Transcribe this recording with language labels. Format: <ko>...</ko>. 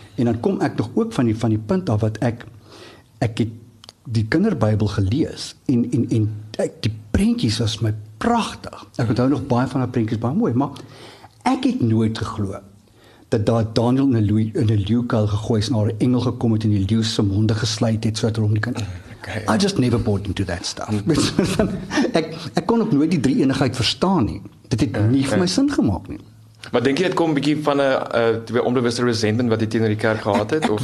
<af>En dan kom ek nog ook van die punt af wat ek het die kinderbybel gelees en ek, die prentjies was my pragtig. Ek onthou nog baie van die prentjies, baie mooi, maar ek het nooit geglo dat daar Daniel in 'n leeukuil gegooi is en daar 'n engel gekom het en die leeu se monde gesluit het sodat hom nie kan.</af> <en>Okay. I just never bought into that stuff.</en> <af>ek kon ook nooit die drie enigheid verstaan nie. Dit het nie vir my sin gemaak nie. Maar denk jy dit kom bietjie van 'n onbewuste resentment wat jy teenoor die kerk gehad het?</af>